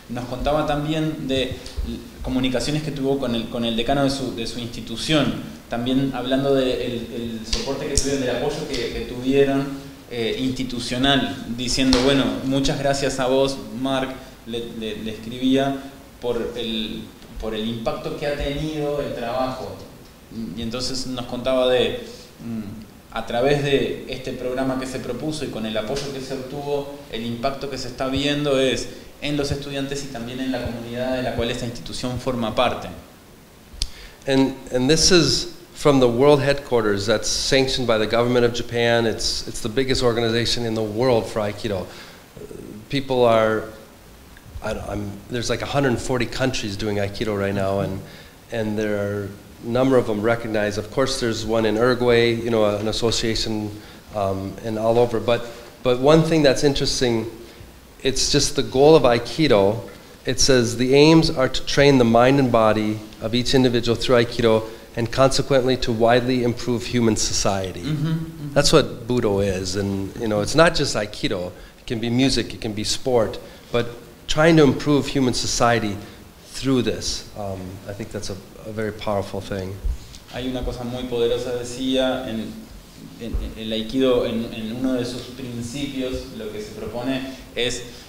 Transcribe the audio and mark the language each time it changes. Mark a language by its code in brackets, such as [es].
[es] Nos contaba también de comunicaciones que tuvo con el decano de su institución, también hablando del soporte que tuvieron, del apoyo que tuvieron institucional, diciendo, bueno, muchas gracias a vos, Mark, le escribía, por el impacto que ha tenido el trabajo. Y entonces nos contaba de, a través de este programa que se propuso y con el apoyo que se obtuvo, el impacto que se está viendo es en los estudiantes y también en la comunidad de la cual esta institución forma parte. [en] And this is from the world headquarters that's sanctioned by the government of Japan. It's the biggest organization in the world for Aikido. People are, there's like 140 countries doing Aikido right now, and there are a number of them recognized. Of course, there's one in Uruguay, you know, an association, and all over. But one thing that's interesting, it's just the goal of Aikido. It says the aims are to train the mind and body of each individual through Aikido, and consequently to widely improve human society. Mm-hmm, mm-hmm. That's what Budo is, and you know, it's not just Aikido. It can be music, it can be sport, but trying to improve human society through this, I think that's a very powerful thing. [es] Hay una cosa muy poderosa, decía, en el Aikido, en uno de sus principios, lo que se propone es...